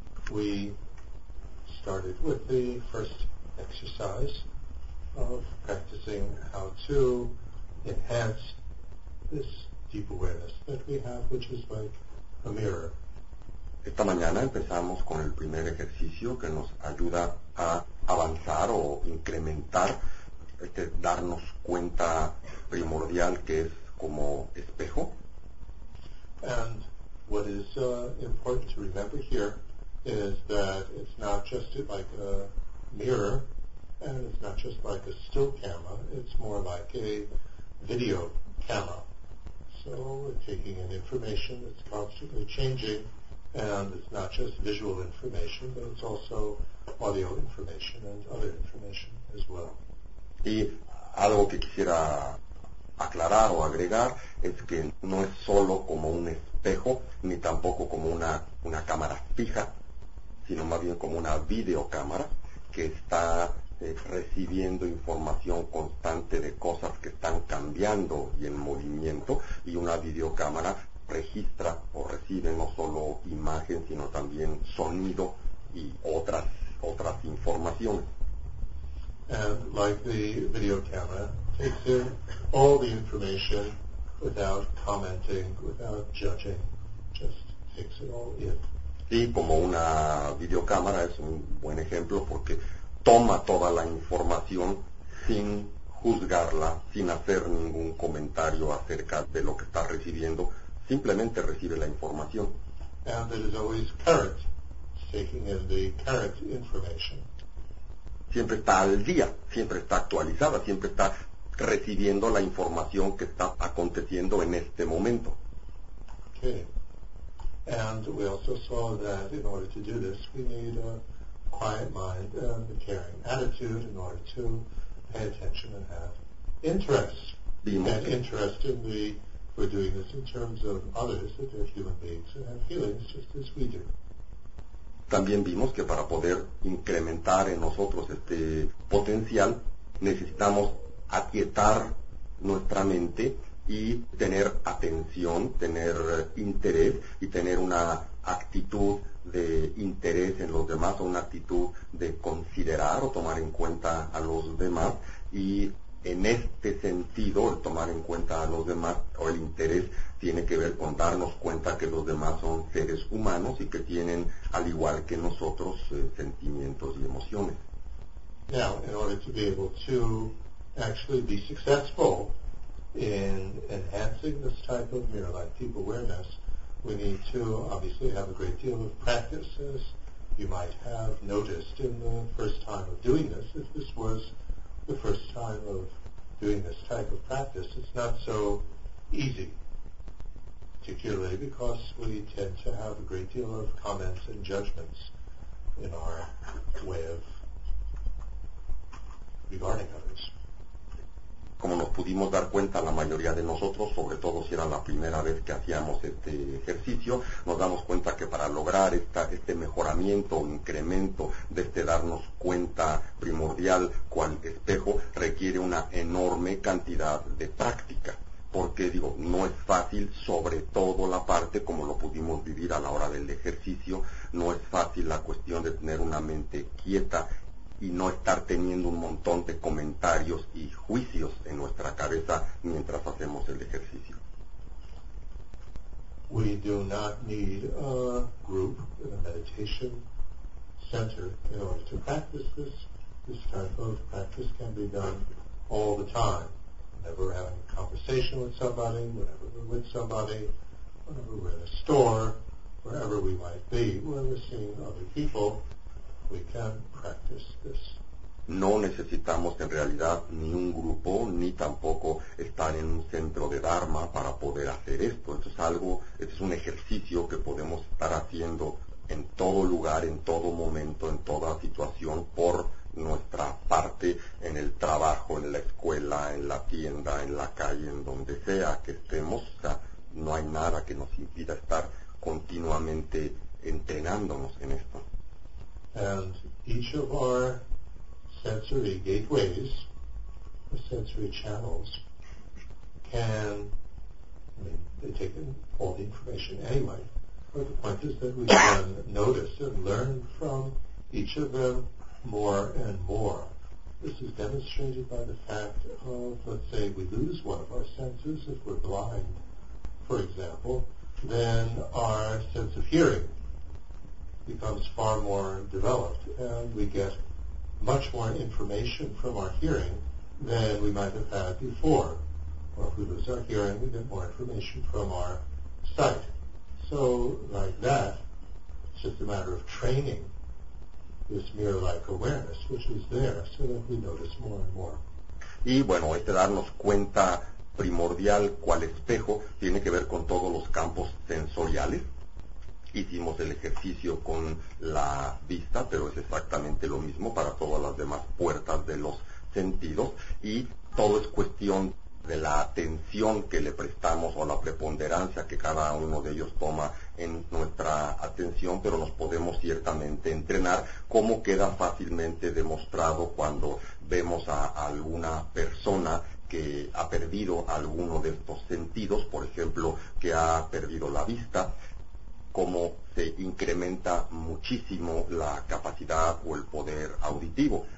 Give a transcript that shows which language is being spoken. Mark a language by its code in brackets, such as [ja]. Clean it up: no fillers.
[en] we started with the first exercise of practicing how to enhance this deep awareness that we have, which is like a mirror. [es] Esta mañana empezamos con el primer ejercicio que nos ayuda a avanzar o incrementar este darnos cuenta primordial que es como espejo. [en] And what is important to remember here is that it's not just like a mirror and it's not just like a still camera, it's more like a video camera. So we're taking in information that's constantly changing. And it's not just visual information, but it's also audio information and other information as well. [es] Y algo que quisiera aclarar o agregar es que no es solo como un espejo, ni tampoco como una cámara fija, sino más bien como una videocámara que está recibiendo información constante de cosas que están cambiando y en movimiento, y una videocámara registra o recibe no solo imagen sino también sonido y otras informaciones. [en] And like the video camera takes in all the information without commenting, without judging, just takes it all in. [es] Y como una videocámara es un buen ejemplo porque toma toda la información sin juzgarla, sin hacer ningún comentario acerca de lo que está recibiendo. Simplemente recibe la información. [en] And it is always current, taking in the current information. [es] Siempre está al día, siempre está actualizada, siempre está recibiendo la información que está aconteciendo en este momento. [en] Okay. And we also saw that in order to do this, we need a quiet mind and a caring attitude in order to pay attention and have interest. [es] Vimos que [en] interest in the we're doing this in terms of others, that they're human beings and have feelings just as we do. [es] También vimos que para poder incrementar en nosotros este potencial, necesitamos aquietar nuestra mente y tener atención, tener interés y tener una actitud de interés en los demás o una actitud de considerar o tomar en cuenta a los demás y en este sentido, el tomar en cuenta a los demás o el interés tiene que ver con darnos cuenta que los demás son seres humanos y que tienen, al igual que nosotros, sentimientos y emociones. [en] Now, in order to be able to actually be successful in enhancing this type of mirror-like deep awareness, we need to obviously have a great deal of practice, as you might have noticed in the first time of doing this, if this was the first time of doing this type of practice, it's not so easy, particularly because we tend to have a great deal of comments and judgments in our way of regarding others. [es] Como nos pudimos dar cuenta, la mayoría de nosotros, sobre todo si era la primera vez que hacíamos este ejercicio, nos damos cuenta que para lograr este mejoramiento o incremento de este darnos cuenta primordial cual espejo, requiere una enorme cantidad de práctica. Porque, digo, no es fácil, sobre todo la parte, como lo pudimos vivir a la hora del ejercicio, no es fácil la cuestión de tener una mente quieta y no estar teniendo un montón de comentarios y juicios en nuestra cabeza mientras hacemos el ejercicio. [en] We do not need a group in a meditation center in order to practice this. This type of practice can be done all the time. Whenever we're having a conversation with somebody, whenever we're with somebody, whenever we're in a store, wherever we might be, when we're seeing other people, we can practice this. [es] No necesitamos en realidad ni un grupo ni tampoco estar en un centro de Dharma para poder hacer esto. Esto es algo, esto es un ejercicio que podemos estar haciendo en todo lugar, en todo momento, en toda situación, por nuestra parte, en el trabajo, en la escuela, en la tienda, en la calle, en donde sea que estemos. O sea, no hay nada que nos impida estar continuamente entrenándonos en esto. [en] And each of our sensory gateways, our sensory channels, can, I mean, they take in all the information anyway, or the point is that we can notice and learn from each of them more and more. This is demonstrated by the fact of, let's say, we lose one of our senses if we're blind, for example, then our sense of hearing becomes far more developed, and we get much more information from our hearing than we might have had before. Or if we lose our hearing, we get more information from our sight. So, like that, it's just a matter of training this mirror-like awareness, which is there, so that we notice more and more. [es] Y bueno, este darnos cuenta primordial cual espejo tiene que ver con todos los campos sensoriales. Hicimos el ejercicio con la vista, pero es exactamente lo mismo para todas las demás puertas de los sentidos, y todo es cuestión de la atención que le prestamos o la preponderancia que cada uno de ellos toma en nuestra atención, pero nos podemos ciertamente entrenar, como queda fácilmente demostrado cuando vemos a alguna persona que ha perdido alguno de estos sentidos, por ejemplo, que ha perdido la vista, cómo se incrementa muchísimo la capacidad o el poder auditivo.